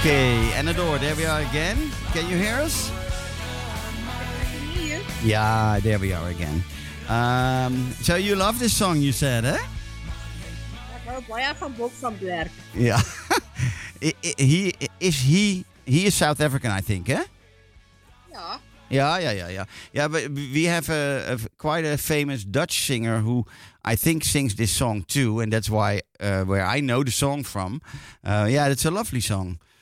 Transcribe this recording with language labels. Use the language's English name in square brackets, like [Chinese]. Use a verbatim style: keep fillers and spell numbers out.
[English] Okay, Anador, there we are again. Can you hear us? Yeah, there we are again. Um, so you love this song, you said, eh? [Afrikaans] Ek hou baie van Bok van Blerk. [English] Yeah. I- I- he is he he is South African, I think, eh? Ja, Yeah, yeah, yeah, yeah. Yeah, but we have a, a f- quite a famous Dutch singer who I think sings this song too, and that's why uh, where I know the song from. Uh, yeah, it's a lovely song.